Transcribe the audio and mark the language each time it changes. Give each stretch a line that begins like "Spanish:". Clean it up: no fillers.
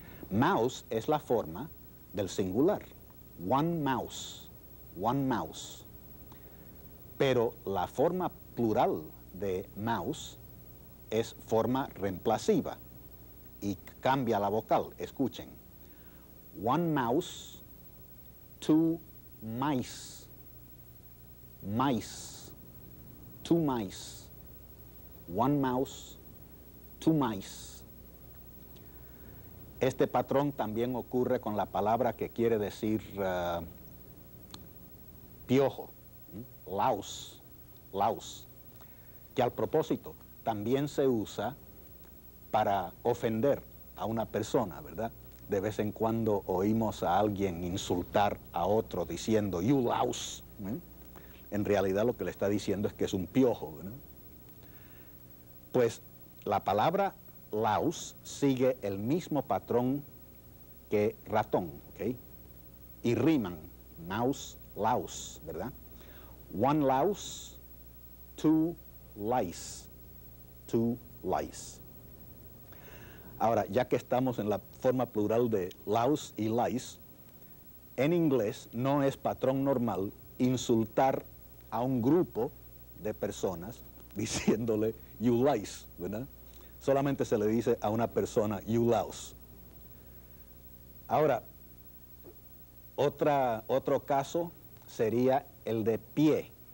Spanish: Mouse es la forma del singular,
English: one mouse, one mouse.
Spanish: Pero la forma plural de mouse es forma reemplaciva. Y cambia la vocal, escuchen.
English: One mouse, two mice, mice, two mice. One mouse, two mice.
Spanish: Este patrón también ocurre con la palabra que quiere decir piojo, louse, louse, que al propósito también se usa para ofender a una persona, ¿verdad? De vez en cuando oímos a alguien insultar a otro diciendo,
English: you louse.
Spanish: En realidad lo que le está diciendo es que es un piojo, ¿verdad? Pues la palabra louse sigue el mismo patrón que ratón, ¿ok? Y riman, mouse, louse, ¿verdad?
English: One louse, two lice, two lice.
Spanish: Ahora, ya que estamos en la forma plural de louse y lice, en inglés no es patrón normal insultar a un grupo de personas diciéndole
English: you lice,
Spanish: ¿verdad? Solamente se le dice a una persona
English: you louse.
Spanish: Ahora, otro caso sería el de pie.